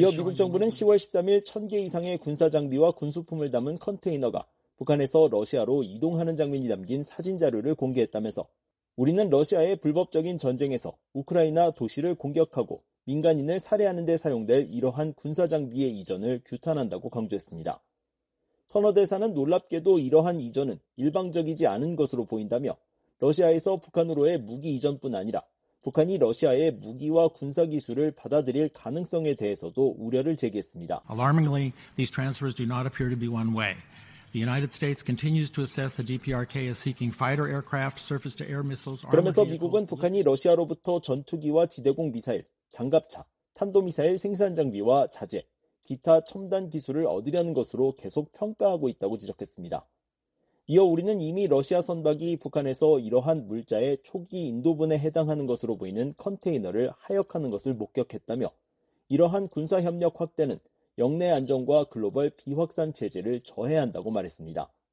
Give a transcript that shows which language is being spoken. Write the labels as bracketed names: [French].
[Korean] 이어 미국 정부는 10월 13일 1000개 이상의 군사 장비와 군수품을 담은 컨테이너가 북한에서 러시아로 이동하는 장면이 담긴 사진 자료를 공개했다면서 우리는 러시아의 불법적인 전쟁에서 우크라이나 도시를 공격하고 민간인을 살해하는 데 사용될 이러한 군사 장비의 이전을 규탄한다고 강조했습니다. 터너 대사는 놀랍게도 이러한 이전은 일방적이지 않은 것으로 보인다며 러시아에서 북한으로의 무기 이전뿐 아니라 북한이 러시아의 무기와 군사 기술을 받아들일 가능성에 대해서도 우려를 제기했습니다. [English] Alarmingly, these transfers do not appear to be one way. The United States continues to assess the DPRK as seeking fighter aircraft, surface-to-air missiles. [Korean] 그러면서 미국은 북한이 러시아로부터 전투기와 지대공 미사일, 장갑차, 탄도미사일 생산 장비와 자재, 기타 첨단 기술을 얻으려는 것으로 계속 평가하고 있다고 지적했습니다. 이어 우리는 이미 러시아 선박이 북한에서 이러한 물자의 초기 인도분에 해당하는 것으로 보이는 컨테이너를 하역하는 것을 목격했다며 이러한 군사협력 확대는 영내 안정과 글로벌 비확산 체제를 저해한다고 말했습니다.